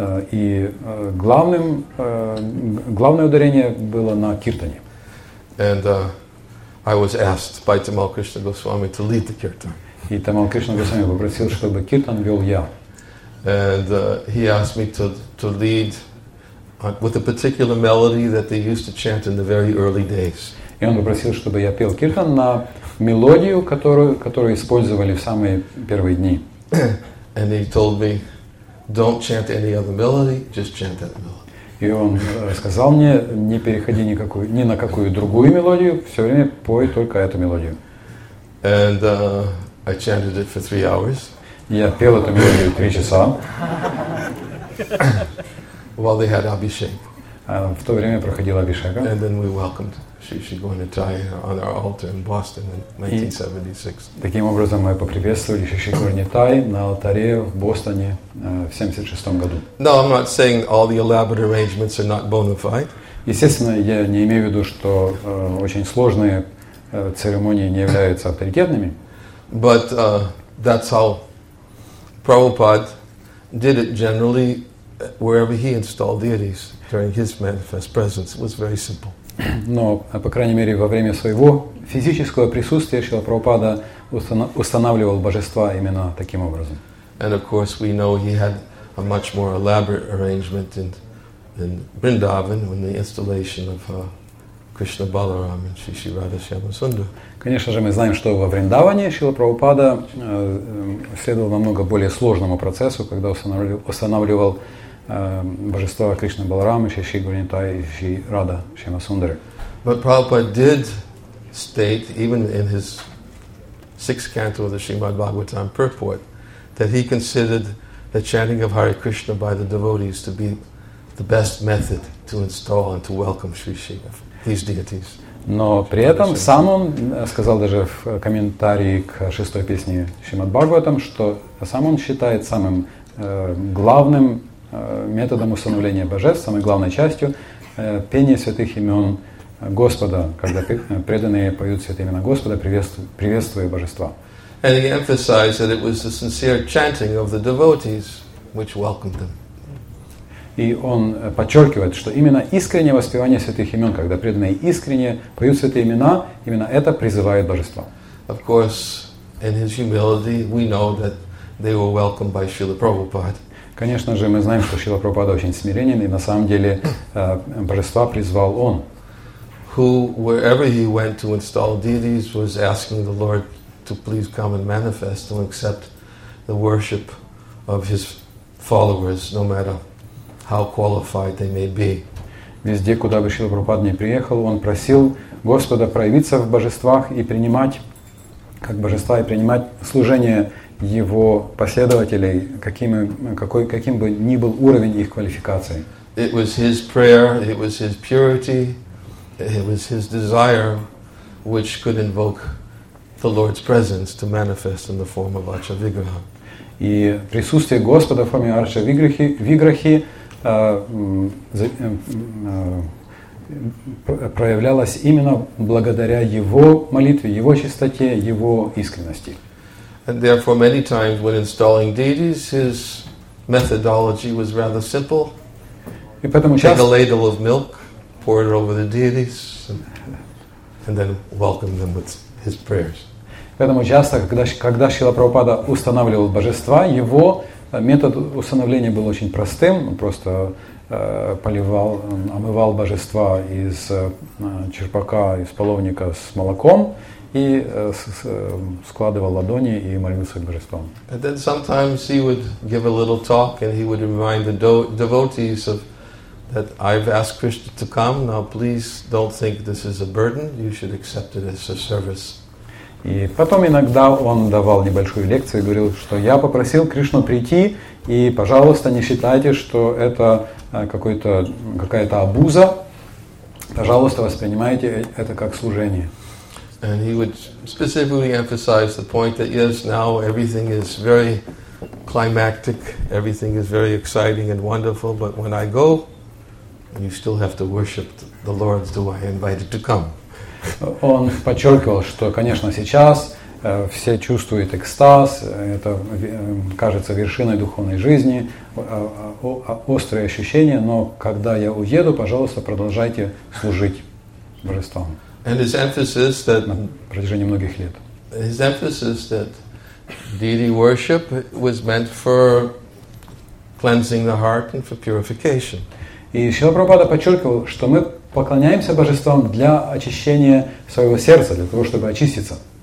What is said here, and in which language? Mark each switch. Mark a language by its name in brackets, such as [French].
[Russian] И главным главное ударение было на киртане. [English] And I was asked by Tamal Krishna Goswami to lead the kirtan. [Russian] И Тамал Кришна Госвами попросил, чтобы киртан вел я. [English] And he asked me to lead with a particular melody that they used to chant in the very early days. [Russian] И он попросил, чтобы я пел киртан на мелодию, которую использовали в самые первые дни. [English] And he told me, don't chant any other melody, just chant that melody. [Russian] И он сказал мне, не переходи никакую, ни на какую другую мелодию, все время пой только эту мелодию. [English] And I chanted it for 3 hours. [Russian] Я пел эту мелодию 3 часа. [English] While they had Abhishek. [Russian] В то время проходил Абишека. [English] And then we welcomed Shri Shri Gaur-Nitai on our altar in Boston in 1976. [Russian] Таким образом мы поприветствовали Шри Шри Гаур-Нитай на алтаре в Бостоне в 76 году. [English] No, I'm not saying all the elaborate arrangements are not bona fide. [Russian] Естественно, я не имею в виду, что очень сложные церемонии не являются авторитетными. [English] But that's how Prabhupada did it generally. Wherever he installed deities during his manifest presence, it was very simple. [Russian] Но, по крайней мере, во время своего физического присутствия Шрила Прабхупада устанавливал божества именно таким образом. [English] And of course, we know he had a much more elaborate arrangement in Vrindavan when the installation of Krishna Balaram and Shri Radha Shyama Sundar. [Russian] Конечно же, мы знаем, что во Вриндаване Шрила Прабхупада следовал намного более сложному процессу, когда устанавливал божества Кришна Баларама, Шри Шри Гаур-Нитай и Шри Рада Шьяма Сундары. [English] But Prabhupada did state, even in his sixth canto of the Srimad Bhagavatam purport, that he considered the chanting of Hare Krishna by the devotees to be the best method to install and to welcome Sri Shiva, these deities. [Russian] Но при этом сам он сказал даже в комментарии к шестой песне Шримад-Бхагаватам, что сам он считает самым главным методом установления божеств, самой главной частью пение святых имен Господа, когда преданные поют святые имена Господа, приветствуя божества. [English] And he emphasized that it was the sincere chanting of the devotees which welcomed them. [Russian] И он подчеркивает, что именно искреннее воспевание святых имен, когда преданные искренне поют святые имена, именно это призывает божества. [English] Of course, in his humility, we know that they were welcomed by Srila Prabhupada. [Russian] Конечно же, мы знаем, что Шрила Прабхупада очень смиренен, и на самом деле божества призвал он. [English] Who, wherever he went to install deities, was asking the Lord to please come and manifest and accept the worship of his followers, no matter how qualified they may be. [Russian] Везде, куда бы Шрила Прабхупада ни приехал, он просил Господа проявиться в божествах и принимать, как божества, и принимать служение его последователей, каким бы ни был уровень их квалификации. [English] It was his prayer, it was his purity, it was his desire, which could invoke the Lord's presence to manifest in the form of Acha-Vigraha. [Russian] И присутствие Господа в форме Арча-Виграхи проявлялось именно благодаря его молитве, его чистоте, его искренности. [English] And therefore, many times when installing deities, his methodology was rather simple. Take a ladle of milk, pour it over the deities, and then welcome them with his prayers. [Russian] Поэтому часто, когда Шрила Прабхупада устанавливал божества, его метод установления был очень простым. Он просто омывал божества из черпака, из половника с молоком и складывал ладони и молился к божествам. [English] And then sometimes he would give a little talk and he would remind the devotees of that I've asked Krishna to come. Now please don't think this is a burden. You should accept it as a service. [Russian] И потом иногда он давал небольшую лекцию и говорил, что я попросил Кришну прийти, и, пожалуйста, не считайте, что это какая-то обуза. Пожалуйста, воспринимайте это как служение. [English] And he would specifically emphasize the point that yes, now everything is very climactic, everything is very exciting and wonderful, but when I go, you still have to worship the Lord, who I invited to come. [Russian] Он подчеркивал, что, конечно, сейчас все чувствуют экстаз, это кажется вершиной духовной жизни, острые ощущения, но когда я уеду, пожалуйста, продолжайте служить божествам. [English] And his emphasis that, [Russian] на протяжении многих лет. [English] His emphasis that deity worship was meant for cleansing the heart and for purification. [Russian] И Шрила Прабхупада подчеркивал, что мы поклоняемся божествам для очищения своего сердца, для того, чтобы очиститься.